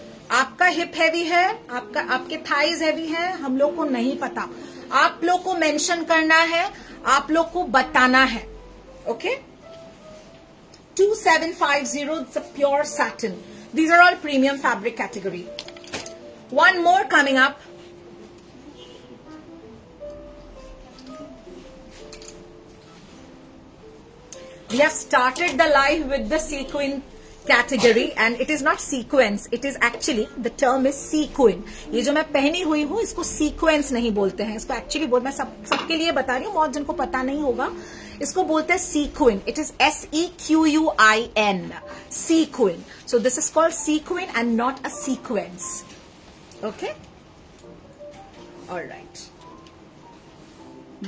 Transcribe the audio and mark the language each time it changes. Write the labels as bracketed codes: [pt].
[hi] आपका hip heavy है आपका आपके थाइज हैवी है हम लोग को नहीं पता आप लोग को मेंशन करना है आप लोग को बताना है [en] Okay 2750 it's a pure satin these are all premium fabric category one more coming up we have started the live with the sequin category and it is not sequence, it is actually, the term is sequin. [hi] ये जो मैं पहनी हुई हूँ इसको sequence नहीं बोलते हैं, इसको एक्चुअली बोल मैं सब सबके लिए बता रही हूँ, बहुत जिनको पता नहीं होगा, इसको बोलते हैं sequin. [en] It is SEQUIN, sequin. So this is called sequin and not a sequence. Okay, alright.